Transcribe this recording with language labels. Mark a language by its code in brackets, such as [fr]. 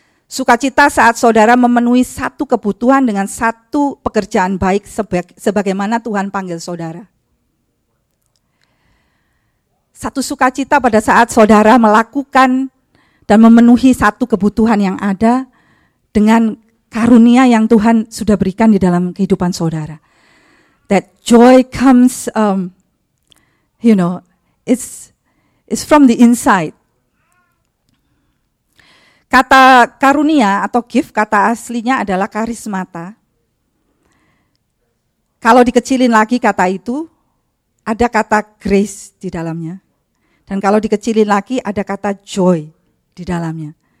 [id] Sukacita saat saudara memenuhi satu kebutuhan dengan satu pekerjaan baik sebagaimana Tuhan panggil saudara. Satu sukacita pada saat saudara melakukan dan memenuhi satu kebutuhan yang ada dengan karunia yang Tuhan sudah berikan di dalam kehidupan saudara. [en] That joy comes, you know, it's from the inside. [id] Kata karunia atau gift, kata aslinya adalah karismata. Kalau dikecilin lagi kata itu, ada kata grace di dalamnya. Dan kalau dikecilin lagi, ada kata joy di dalamnya.